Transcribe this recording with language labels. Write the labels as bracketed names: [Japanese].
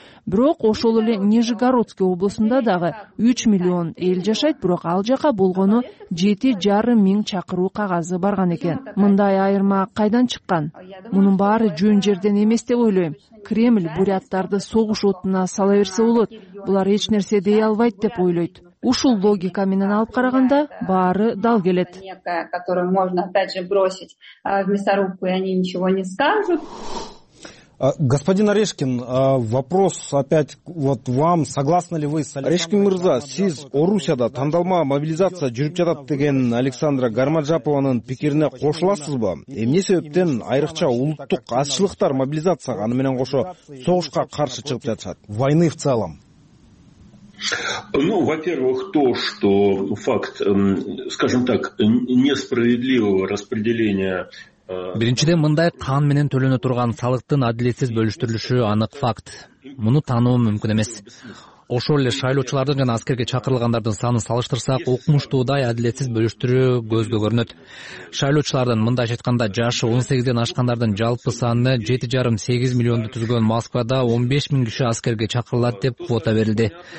[Kyrgyz] Бирок ошол эле Нижегородский облусунда дагы 3 миллион эл жашайт, бирок ал жака болгону 7,5 миң чакыруу кагазы барган экен. Мындай айырма кайдан чыккан? Мунун баары жөн жерден эмес деп ойлойм. Кремль буряттарды согуш отуна сала берсе болот. Булар эч нерсе дей албайт деп ойлойт. Ушул логика менен алып караганда баары дал келет. [Russian] Которую можно опять же бросить в мясорубку, и они ничего не скажут. Господин Орешкин, вопрос опять вот вам, согласны ли вы с [Kyrgyz] Александром? Орешкин мырза, сиз Орусияда тандалма мобилизация жүрүп жатат деген Александра Гармаджапованын пикирине кошуласызбы? Эмне себептен айрыкча улуттук азчылыктар мобилизацияга, аны менен кошо согушка каршы чыгып жатышат? [Russian] Войны в целом. Ну, во-первых, то, что факт, скажем так, несправедливого распределения. [Kyrgyz] Биринчиден, мындай кан менен төлөнө турган салыктын адилетсиз бөлүштүрүлүшү анык факт. Муну таануу мүмкүн эмес. Ошол эле шайлоочулардын жана аскерге чакырылгандардын санын салыштырсак, укмуштуудай адилетсиз бөлүштүрүү көзгө көрүнөт. Шайлоочулардын, мындайча айтканда, жашы 18 ашкандардын жалпы саны 7,5-8 миллионду түзгөн Москвада 15 миң киши аскерге чакырылат деп квота берилди.